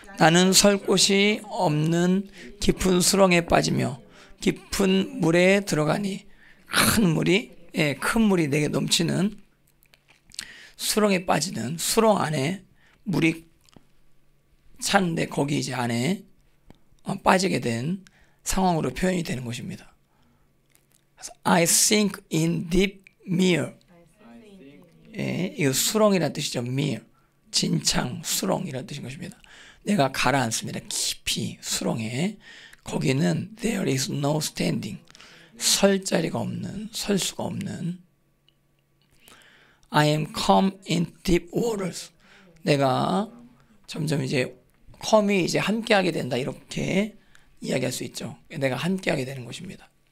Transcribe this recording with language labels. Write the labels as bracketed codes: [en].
[ko] 나는 설 곳이 없는 깊은 수렁에 빠지며 깊은 물에 들어가니 큰 물이, 예, 큰 물이 내게 넘치는 수렁에 빠지는 수렁 안에 물이 찼는데 거기 이제 안에 빠지게 된 상황으로 표현이 되는 것입니다. [en] I sink in deep mire. [ko] 예, 이거 수렁이라는 뜻이죠. [en] Mire. [ko] 진창, 수렁이라는 뜻인 것입니다. 내가 가라앉습니다. 깊이 수렁에. 거기는 [en] there is no standing. [ko] 설 자리가 없는, 설 수가 없는. [en] I am come in deep waters. [ko] 내가 점점 이제 come이 이제 함께하게 된다. 이렇게 이야기할 수 있죠. 내가 함께하게 되는 것입니다.